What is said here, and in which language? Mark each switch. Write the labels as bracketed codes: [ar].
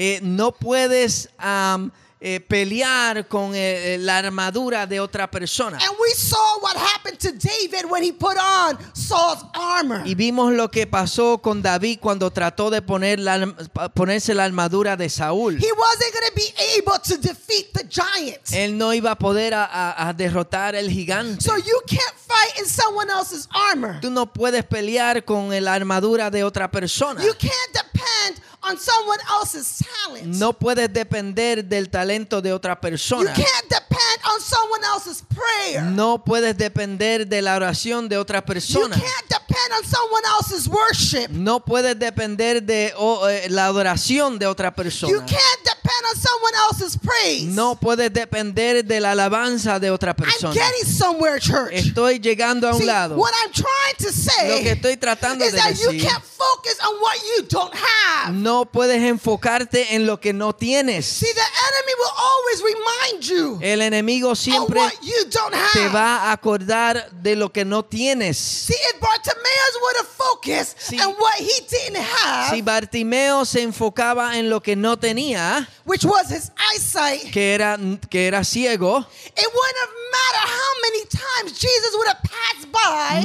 [es] No puedes pelear con la armadura de otra persona. [en] And we saw what happened to David when he put on Saul's armor. [es] Y vimos lo que pasó con David cuando trató de ponerse la armadura de Saúl. [en] He wasn't going to be able to defeat the giant. [es] Él no iba a poder a derrotar el gigante. [en] So you can't fight in someone else's armor. [es] Tú no puedes pelear con la armadura de otra persona. [en] You can't depend on someone else's talent. [es] No puedes depender del talento de otra persona. [en] You can't depend on someone else's prayer. [es] No puedes depender de la oración de otra persona. [en] You can't depend on someone else's worship. [es] No puedes depender de la adoración de otra persona. [en] You can't depend on someone else's praise. [es] No puedes depender de la alabanza de otra persona. [en] I'm getting somewhere, church. [es] Estoy llegando a un [en] See, [es] lado. [en] What I'm trying to say [es] lo que estoy tratando [en] is [es] de [en] that [es] decir [en] you can't focus on what you don't have. [es] No puedes enfocarte en lo que no tienes. [en] See, the enemy will always remind you. [es] El enemigo siempre [en] what you don't have. [es] Te va a acordar de lo que no tienes. [en] See, if Bartimaeus would have focused on what he didn't have, [es] si Bartimeo se enfocaba en lo que no tenía, [en] which was his eyesight, [es] que era ciego, [en] it wouldn't have mattered how many times Jesus would have passed by.